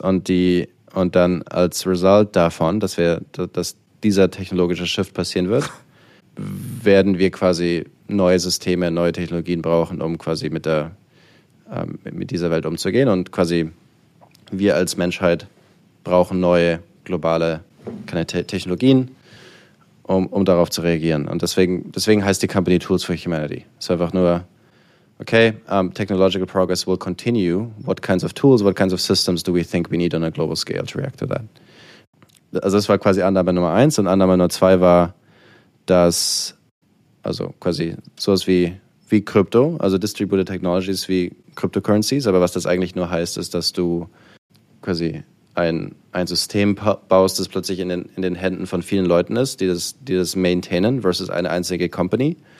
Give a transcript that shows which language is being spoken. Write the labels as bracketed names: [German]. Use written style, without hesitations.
[German] Und dann als Result davon, dass dieser technologische Shift passieren wird, werden wir quasi neue Systeme, neue Technologien brauchen, um quasi mit dieser Welt umzugehen. Und quasi wir als Menschheit brauchen neue globale Technologien, um darauf zu reagieren. Und deswegen heißt die Company Tools for Humanity. Es ist einfach nur, okay, [English] technological progress will continue. What kinds of tools, what kinds of systems do we think we need on a global scale to react to that? [German] Also das war quasi Annahme Nummer 1. Und Annahme Nummer 2 war, dass also quasi sowas wie Krypto, also Distributed Technologies wie Cryptocurrencies, aber was das eigentlich nur heißt, ist, dass du quasi ein System baust, das plötzlich in den Händen von vielen Leuten ist, die das maintainen versus eine einzige Company.